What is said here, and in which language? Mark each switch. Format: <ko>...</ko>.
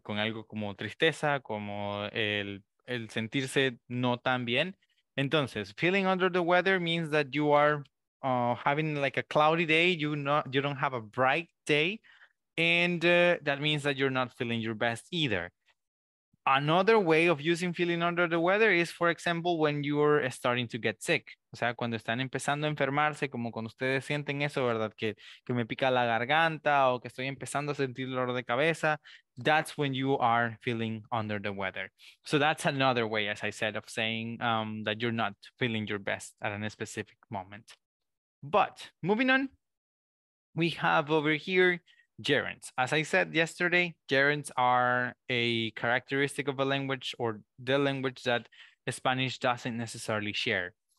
<es>Con algo como tristeza, como el sentirse no tan bien. Entonces,</es> <en>feeling under the weather means that you are having like a cloudy day. You don't have a bright day. And that means that you're not feeling your best either. Another way of using feeling under the weather is, for example, when you're starting to get sick.</en> <es>O sea, cuando están empezando a enfermarse, como cuando ustedes sienten eso, ¿verdad? Que me pica la garganta o que estoy empezando a sentir dolor de cabeza.</es> <en>That's when you are feeling under the weather. So that's another way, as I said, of saying that you're not feeling your best at a specific moment. But moving on, we have over here gerunds. As I said yesterday, gerunds are a characteristic of a language or the language that Spanish doesn't necessarily share.</en>